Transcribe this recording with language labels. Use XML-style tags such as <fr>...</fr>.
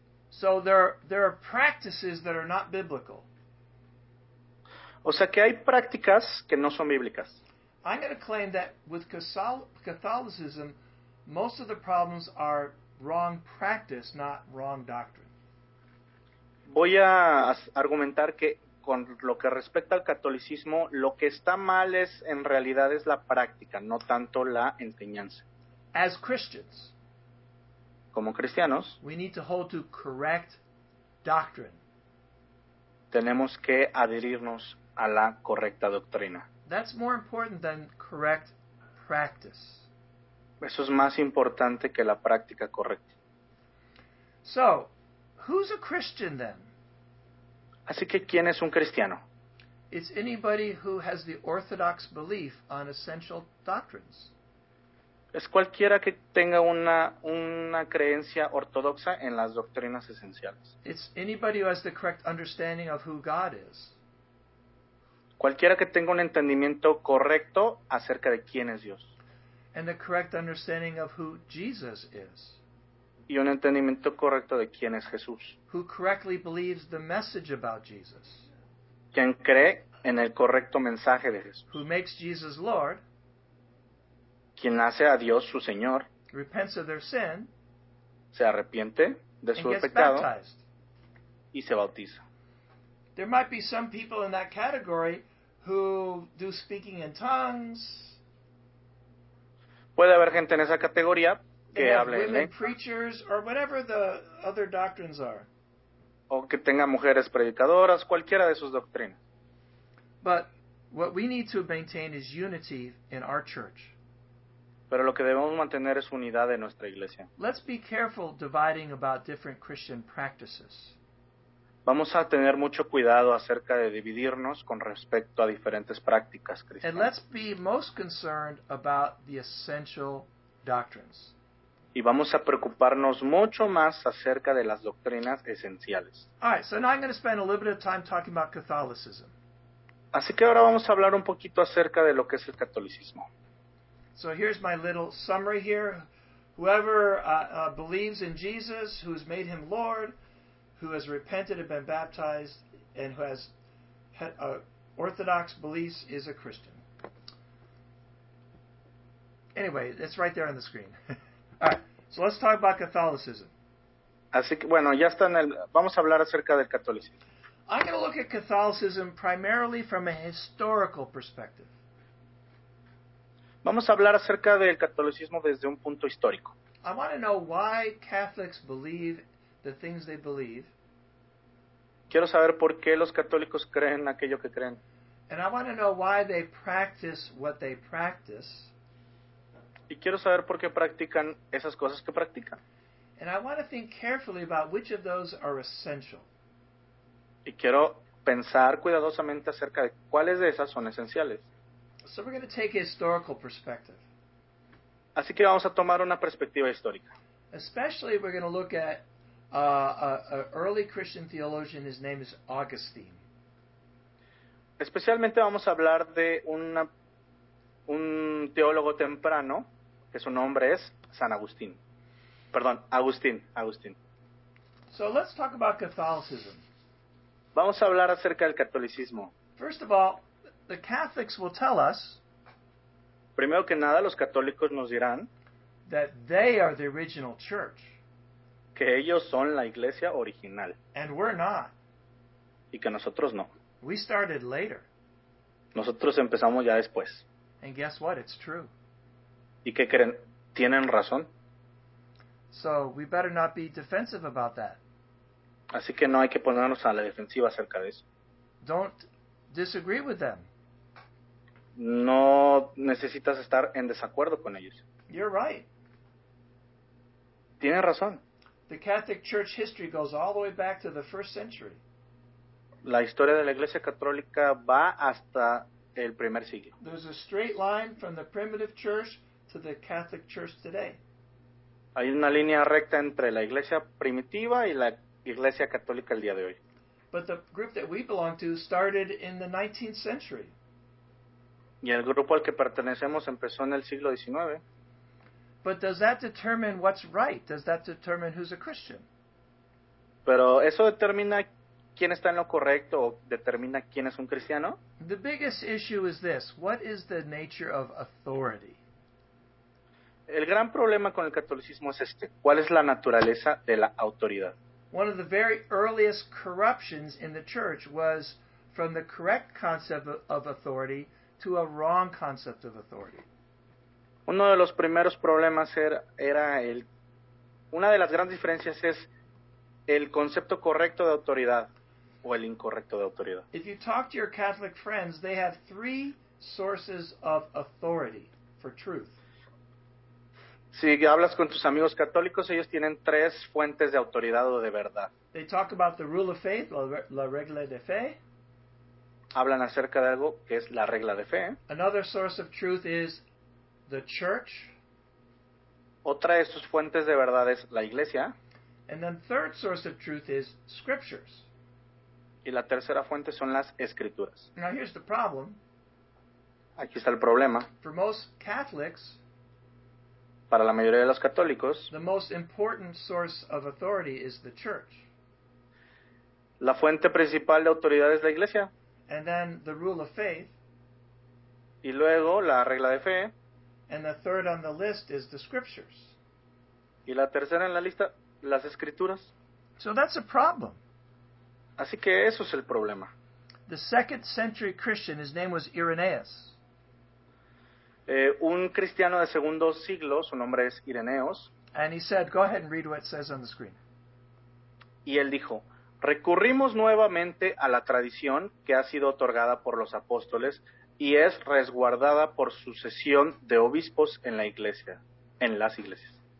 <en>So there are practices that are not biblical.</en> <es>O sea que hay prácticas que no son bíblicas.</es> <en>I'm going to claim that with Catholicism, most of the problems are wrong practice, not wrong doctrine.</en> <es>Voy a argumentar que con lo que respecta al catolicismo, lo que está mal es en realidad es la práctica, no tanto la enseñanza.</es> <en>As Christians,</en> <es>como cristianos,</es> <en>we need to hold to correct doctrine.</en> <es>Tenemos que adherirnos a la correcta doctrina.</es> <en>That's more important than correct practice.</en> <es>Eso es más importante que la práctica correcta.</es> <en>So, who's a Christian then?</en> <es>Así que, ¿quién es un cristiano?</es> <en>It's anybody who has the orthodox belief on essential doctrines.</en> <es>Es cualquiera que tenga una creencia ortodoxa en las doctrinas esenciales.</es> <en>It's anybody who has the correct understanding of who God is.</en> <es>Cualquiera que tenga un entendimiento correcto acerca de quién es Dios.</es> <en>And the correct understanding of who Jesus is.</en> <es>Y un entendimiento correcto de quién es Jesús.</es> <en>Who correctly believes the message about Jesus.</en> <es>Quien cree en el correcto mensaje de Jesús.</es> <en>Who makes Jesus Lord.</en> <es>Quien hace a Dios su Señor.</es> <en>Repents of their sin.</en> <es>Se arrepiente de su pecado.</es> <en>Baptized.</en> <es>Y se bautiza.</es> <en>There might be some people in that category who do speaking in tongues.</en> <es>Puede haber gente en esa categoría que hable en lenguas.</es> <en>Preachers or whatever the other doctrines are.</en> <es>O que tenga mujeres predicadoras, cualquiera de sus doctrinas.</es> <en>But what we need to maintain is unity in our church.</en> <es>Pero lo que debemos mantener es unidad en nuestra iglesia.</es> <en>Let's be careful dividing about different Christian practices.</en> <es>Vamos a tener mucho cuidado acerca de dividirnos con respecto a diferentes prácticas cristianas.</es> <en>And let's be most concerned about the essential doctrines.</en> <es>Y vamos a preocuparnos mucho más acerca de las doctrinas esenciales.</es> <en>All right, so now I'm going to spend a little bit of time talking about Catholicism.</en> <es>Así que ahora vamos a hablar un poquito acerca de lo que es el catolicismo.</es> <en>So here's my little summary here. Whoever believes in Jesus, who has made him Lord, who has repented and been baptized, and who has orthodox beliefs, is a Christian. Anyway, it's right there on the screen. All right, so let's talk about Catholicism.</en> <es>Así que, bueno, ya está en el, vamos a hablar acerca del catolicismo.</es> <en>I'm going to look at Catholicism primarily from a historical perspective.</en> <es>Vamos a hablar acerca del catolicismo desde un punto histórico.</es> <en>I want to know why Catholics believe the things they believe.</en> <es>Quiero saber por qué los católicos creen aquello que creen.</es> <en>And I want to know why they practice what they practice.</en> <es>Y quiero saber por qué practican esas cosas que practican.</es> <en>And I want to think carefully about which of those are essential.</en> <es>Y quiero pensar cuidadosamente acerca de cuáles de esas son esenciales.</es> <en>So we're going to take a historical perspective.</en> <es>Así que vamos a tomar una perspectiva histórica.</es> <en>Especially we're going to look at an early Christian theologian. His name is Augustine.</en> <es>Especialmente vamos a hablar de un teólogo temprano, que su nombre es San Agustín. Perdón, Agustín.</es> <en>So let's talk about Catholicism.</en> <es>Vamos a hablar acerca del catolicismo.</es> <en>First of all, the Catholics will tell us,</en> <es>primero que nada, los católicos nos dirán,</es> <en>that they are the original church.</en> <es>Que ellos son la iglesia original.</es> <en>And we're not.</en> <es>Y que nosotros no.</es> <en>We started later.</en> <es>Nosotros empezamos ya después.</es> <en>And guess what? It's true.</en> <es>¿Y qué creen? Tienen razón.</es> <en>So we better not be defensive about that.</en> <es>Así que no hay que ponernos a la defensiva acerca de eso.</es> <en>Don't disagree with them.</en> <es>No necesitas estar en desacuerdo con ellos.</es> <en>You're right.</en> <es>Tienes razón.</es> <en>The Catholic Church history goes all the way back to the first century.</en> <es>La historia de la Iglesia Católica va hasta el primer siglo.</es> <en>There's a straight line from the primitive church to the Catholic Church today.</en> <es>Hay una línea recta entre la Iglesia primitiva y la Iglesia Católica el día de hoy.</es> <en>But the group that we belong to started in the 19th century.</en> <es>Y el grupo al que pertenecemos empezó en el siglo XIX.</es> <en>But does that determine what's right? Does that determine who's a Christian?</en> <es>Pero eso determina quién está en lo correcto o determina quién es un cristiano?</es> <en>The biggest issue is this. What is the nature of authority?</en> <es>El gran problema con el catolicismo es este. ¿Cuál es la naturaleza de la autoridad?</es> <en>One of the very earliest corruptions in the church was from the correct concept of authority to a wrong concept of authority.</en> <es>Uno de los primeros problemas era el. Una de las grandes diferencias es el concepto correcto de autoridad o el incorrecto de autoridad.</es> <en>If you talk to your Catholic friends, they have three sources of authority for truth.</en> <es>Si hablas con tus amigos católicos, ellos tienen tres fuentes de autoridad o de verdad.</es> <en>They talk about the rule of faith,</en> <es>la regla de fe. Hablan acerca de algo que es la regla de fe.</es> <en>Another source of truth is the church.</en> <es>Otra de sus fuentes de verdad es la iglesia.</es> <en>And then third source of truth is scriptures.</en> <es>Y la tercera fuente son las escrituras.</es> <en>Now here's the problem.</en> <es>Aquí está el problema.</es> <en>For most Catholics,</en> <es>para la mayoría de los católicos,</es> <en>the most important source of authority is the church.</en> <es>La fuente principal de autoridad es la iglesia.</es> <en>And then the rule of faith.</en> <es>Y luego la regla de fe.</es> <en>And the third on the list is the scriptures.</en> <es>Y la tercera en la lista, las escrituras.</es> <en>So that's a problem.</en> <es>Así que eso es el problema.</es> <en>The second century Christian, his name was Irenaeus.</en> <es>Un cristiano de segundo siglo, su nombre es Ireneos.</es> <en>And he said, go ahead and read what it says on the screen.</en> <es>Y él dijo, recurrimos nuevamente a la tradición que ha sido otorgada por los apóstoles y es resguardada por sucesión de obispos en la iglesia, en las iglesias.</es>